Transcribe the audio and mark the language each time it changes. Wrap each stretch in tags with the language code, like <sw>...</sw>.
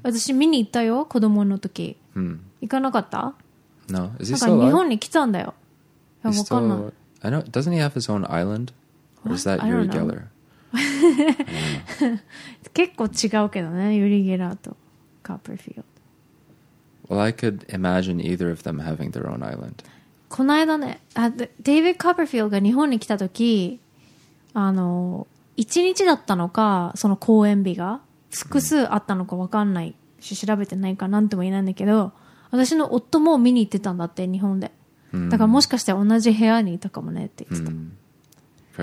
<ja>私見に行ったよ、子供の時。 Mm. 行かなかった</ja> <en>No. Is he still alive?</en> <ja>日本に来たんだよ。いや、わかんない。</ja> <en>I know, doesn't he have his own island? Or is that Yuri Geller? I don't know.</en> <ja>結構違うけどね、Yuri Geller とCopperfield。</ja> <en>Well, I could imagine either of them having their own island.</en> <ja>この間ね、デイビッド・コッパーフィールドが日本に来た時、あの、1日だったのか、その公演日が、複数あったのか分かんないし、調べてないかなんとも言えないんだけど、私の夫も見に行ってたんだって、日本で。だからもしかして同じ部屋にいたかもねって言ってた、</ja>